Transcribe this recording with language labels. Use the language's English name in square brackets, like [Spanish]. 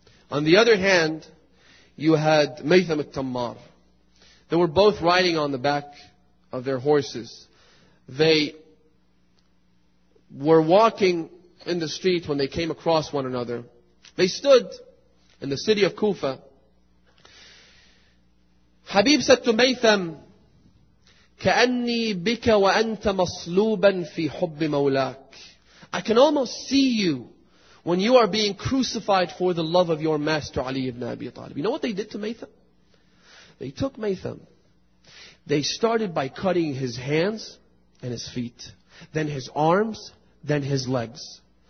[English] On the other hand, you had Maytham al-Tammar. They were both riding on the back of their horses. They were walking in the street when they came across one another. They stood in the city of Kufa. Habib said to Maytham, [Arabic] كَأَنِّي بِكَ وَأَنْتَ مَصْلُوبًا فِي حُبِّ مَوْلَاكَ. [English] I can almost see you when you are being crucified for the love of your master Ali ibn Abi Talib. You know what they did to Maytham? They took Maytham. They started by cutting his hands and his feet, then his arms, then his legs.